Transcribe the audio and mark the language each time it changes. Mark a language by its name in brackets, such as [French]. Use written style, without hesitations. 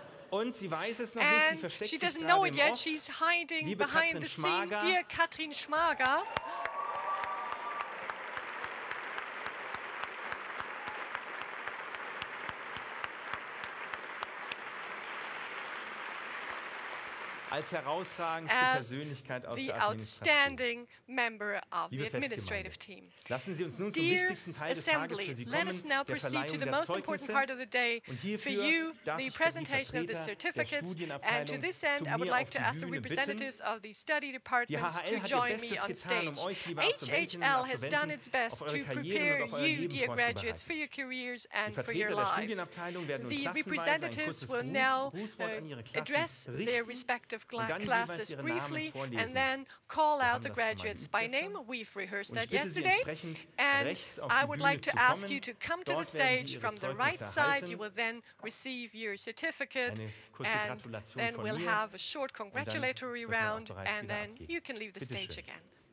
[German] Und sie weiß es noch nicht, sie versteckt sich gerade im Off. [English] And she doesn't know it yet, she's hiding behind the scene. Dear Katrin Schmager. [German] Als herausragendste Persönlichkeit aus der Administration. Liebe Festgemeinde, lassen Sie uns nun zum wichtigsten Teil des Tages für Sie kommen, der Verleihung der Zeugnisse. Und hierfür darf ich für die Vertreter der Studienabteilung zu mir auf die Bühne bitten. Die HHL hat ihr Bestes getan, um euch, liebe Absolventinnen und Absolventen, auf eure Karrieren und auf euer Leben vorzubereiten. Die Vertreter der Studienabteilung werden nun klassenweise ein kurzes Grußwort an ihre Klassen richten. [English] Of classes briefly and then call out the graduates by name. We've rehearsed that yesterday. And I would like to ask you to come to the stage from the right side. You will then receive your certificate and then we'll have a short congratulatory round and then you can leave the stage again.